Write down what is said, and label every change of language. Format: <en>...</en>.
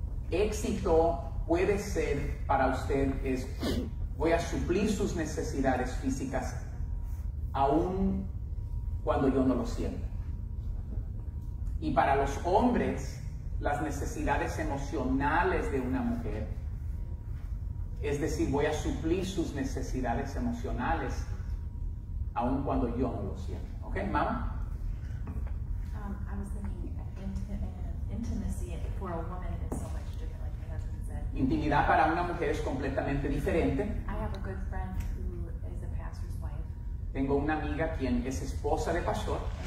<es>Éxito puede ser para usted es, voy a suplir sus necesidades físicas aún cuando yo no lo sienta. Y para los hombres, las necesidades emocionales de una mujer, es decir, voy a suplir sus necesidades emocionales aun cuando yo no lo sienta. ¿Ok, mamá?</es> <en>I was thinking intimacy for a woman is so much different, like my husband said.</en> <es>Intimidad para una mujer es completamente diferente.</es> <en>I have a good friend who is a pastor's wife.</en> <es>Tengo una amiga quien es esposa de pastor.</es>